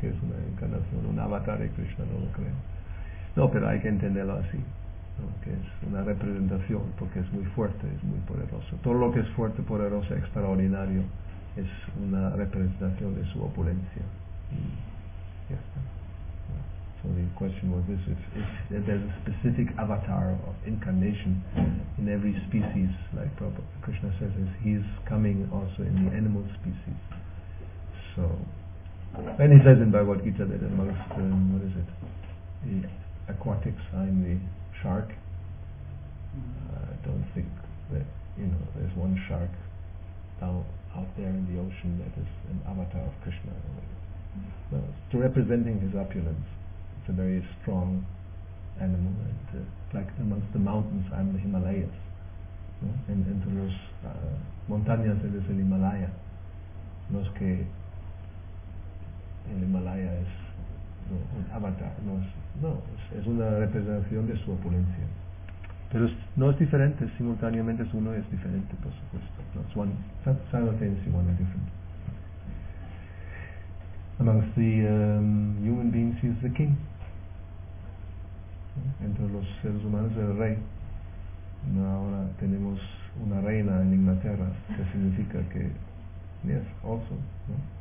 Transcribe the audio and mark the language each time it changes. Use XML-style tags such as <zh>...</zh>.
<es>Que es una encarnación, un avatar de Krishna, no lo creo. No, pero hay que entenderlo así, ¿no? Que es una representación, porque es muy fuerte, es muy poderoso. Todo lo que es fuerte, poderoso, extraordinario es una representación de su opulencia.</es> <en>Yes. So the question was this: if there's a specific avatar of incarnation in every species, like Prabhupada Krishna says, he is coming also in the animal species. So, and he says in Bhagavad Gita that amongst what is it, the aquatics, I'm the shark. I don't think that, you know, there's one shark out there in the ocean that is an avatar of Krishna. No, to representing his opulence, it's a very strong animal, and, like amongst the mountains, I'm the Himalayas, no?</en> <es>And entre los montañas él es el Himalaya, no es que el Himalaya es, no, un avatar, no, es, no es, es una representación de su opulencia, pero es, no es diferente, simultáneamente es uno y es diferente, por supuesto, no es</es> <en>one, simultaneously one is different. Amongst the human beings, he is the king.</en> <es>Entre los seres humanos, el rey. Ahora tenemos una reina en Inglaterra, que significa que,</es> <en>yes, also,</en> <es>no?</es>